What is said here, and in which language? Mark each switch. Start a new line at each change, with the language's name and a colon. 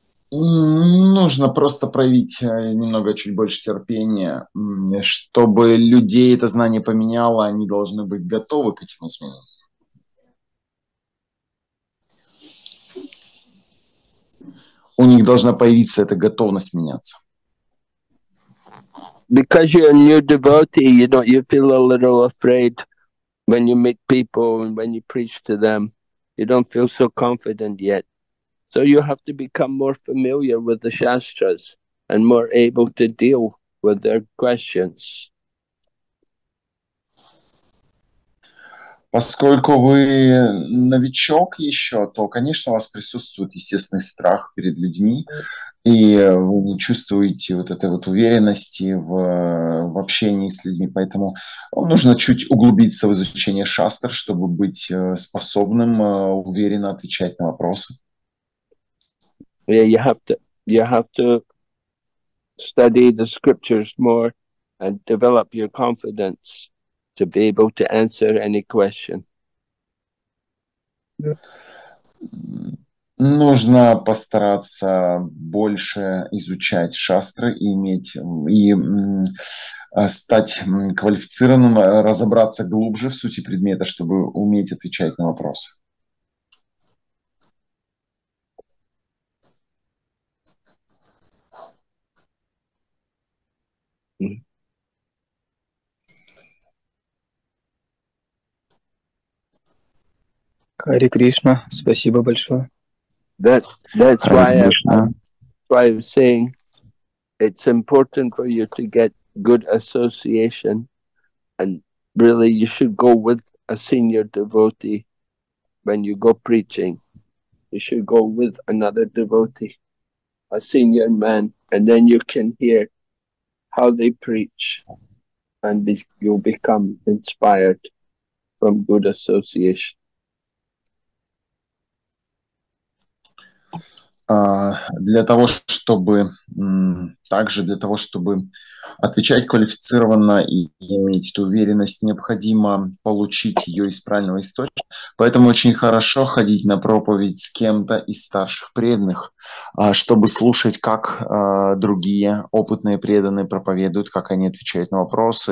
Russian: Нужно просто проявить немного чуть больше терпения. Чтобы людей это знание поменяло, они должны быть готовы к этим изменениям. У них должна появиться эта готовность меняться.
English: Because you're a new devotee, you know, you feel a little afraid when you meet people and when you preach to them. You don't feel so confident yet. So you have to become more familiar with the Shastras and more able to deal with their questions.
Russian: Поскольку вы новичок еще, то, конечно, у вас присутствует естественный страх перед людьми, и вы не чувствуете вот этой вот уверенности в общении с людьми. Поэтому нужно чуть углубиться в изучение Шастр, чтобы быть способным уверенно отвечать на вопросы.
English: Yeah, you have to study the scriptures more and develop your confidence to be able to answer any question.
Russian: Нужно постараться больше изучать шастры и иметь и стать квалифицированным, разобраться глубже в сути предмета, чтобы уметь отвечать на вопросы. Хари Кришна, спасибо большое.
English: That's why I'm saying it's important for you to get good association, and really you should go with a senior devotee when you go preaching. You should go with another devotee, a senior man, and then you can hear how they preach, and you'll become inspired from good association.
Russian: Для того, чтобы также для того, чтобы отвечать квалифицированно и иметь эту уверенность, необходимо получить ее из правильного источника. Поэтому очень хорошо ходить на проповедь с кем-то из старших преданных, чтобы слушать, как другие опытные преданные проповедуют, как они отвечают на вопросы.